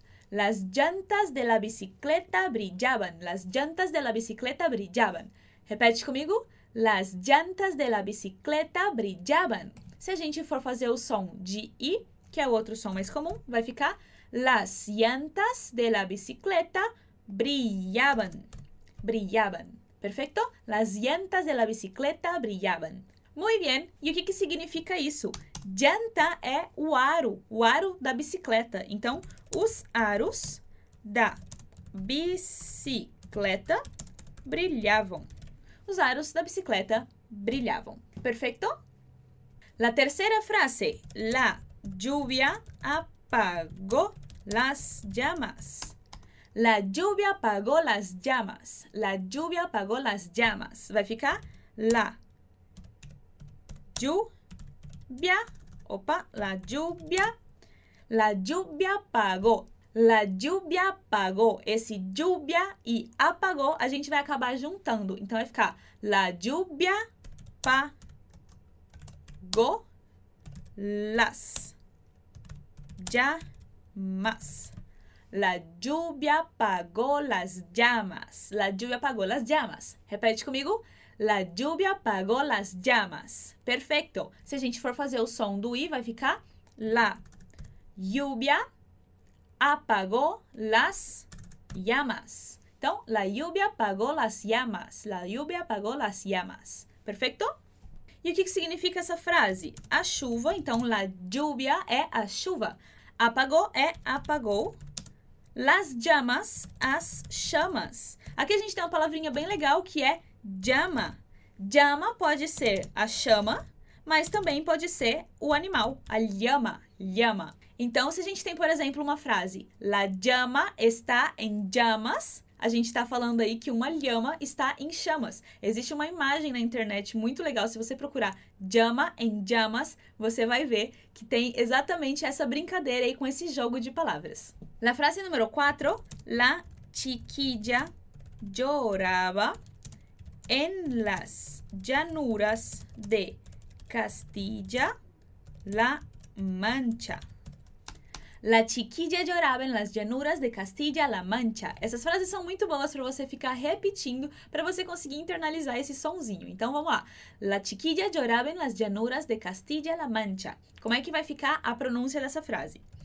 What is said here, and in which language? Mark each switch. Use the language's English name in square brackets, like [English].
[Spanish] Las llantas de la bicicleta brillaban. Las llantas de la bicicleta brillaban. [Portuguese] Repete comigo. [Spanish] Las llantas de la bicicleta brillaban. [Portuguese] Se a gente for fazer o som de I, que é o outro som mais comum, vai ficar [Spanish] las llantas de la bicicleta brillaban. Brillaban. Perfecto? Las llantas de la bicicleta brillaban. Muy bien. [Portuguese] E o que que significa isso? Llanta é o aro da bicicleta. Então, os aros da bicicleta brilhavam. Os aros da bicicleta brilhavam. Perfeito? La terceira frase. [Spanish] La lluvia apagó las llamas. La lluvia apagó las llamas. La lluvia apagó las llamas. [Portuguese] Vai ficar [Spanish] la lluvia. Opa, la lluvia. La lluvia apagó. La lluvia apagó. [Portuguese] Esse lluvia e apagó, a gente vai acabar juntando. Então vai ficar [Spanish] la lluvia apagó las llamas. La lluvia apagó las llamas. La lluvia apagó las llamas. [Portuguese] Repete comigo. [Spanish] La lluvia apagó las llamas. [Portuguese] Perfecto. Se a gente for fazer o som do I, vai ficar [Spanish] la lluvia apagó las llamas. Então, la lluvia apagó las llamas. La lluvia apagó las llamas. Perfecto? [Portuguese] E o que significa essa frase? A chuva, então, la lluvia é a chuva. Apagó é apagou. Las llamas, as chamas. Aqui a gente tem uma palavrinha bem legal que é llama. Llama pode ser a chama, mas também pode ser o animal, a llama, llama. Então, se a gente tem, por exemplo, uma frase, [Spanish] la llama está en llamas, [Portuguese] a gente está falando aí que uma llama está em chamas. Existe uma imagem na internet muito legal, se você procurar [Spanish] llama en llamas, [Portuguese] você vai ver que tem exatamente essa brincadeira aí com esse jogo de palavras. [Spanish] La frase número 4, la chiquilla lloraba en las llanuras de Castilla-La Mancha. La chiquilla lloraba en las llanuras de Castilla-La Mancha. [Portuguese] Essas frases são muito boas para você ficar repetindo, para você conseguir internalizar esse sonzinho. Então, vamos lá. [Spanish] La chiquilla lloraba en las llanuras de Castilla-La Mancha. [Portuguese] Como é que vai ficar a pronúncia dessa frase?